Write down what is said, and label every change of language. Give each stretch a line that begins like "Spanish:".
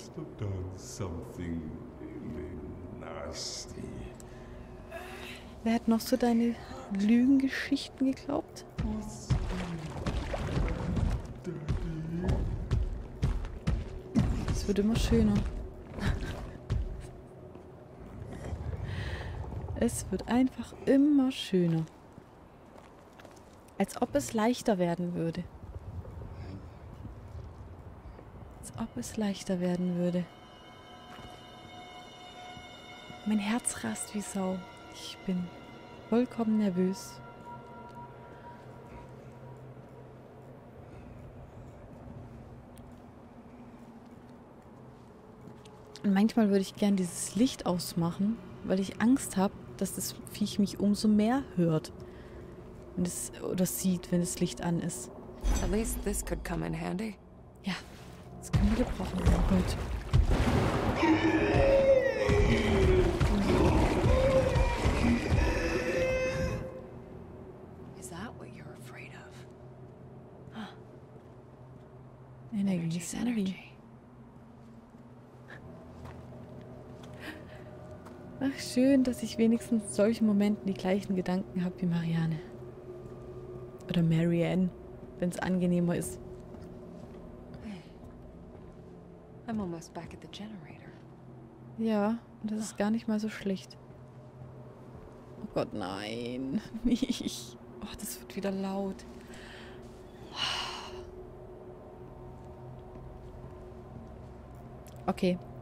English: He must have done something really nasty.
German: Wer hat noch so deine Lügengeschichten geglaubt? Es wird immer schöner. Es wird einfach immer schöner. Als ob es leichter werden würde. Als ob es leichter werden würde. Mein Herz rast wie Sau. Ich bin vollkommen nervös. Und manchmal würde ich gern dieses Licht ausmachen, weil ich Angst habe, dass das Viech mich umso mehr hört. Oder sieht, wenn das Licht an ist.
English: At least this could come in handy.
German: Ja, das können wir gebrauchen. Oh Gott.
English: Is that what you're afraid of? Huh. Energy.
German: Ach, schön, dass ich wenigstens in solchen Momenten die gleichen Gedanken habe wie Marianne. Oder Marianne, wenn es angenehmer ist.
English: Hey, I'm almost back at the generator.
German: Ja, das ist gar nicht mal so schlecht. Oh Gott, nein. Nicht. Oh, das wird wieder laut. Okay.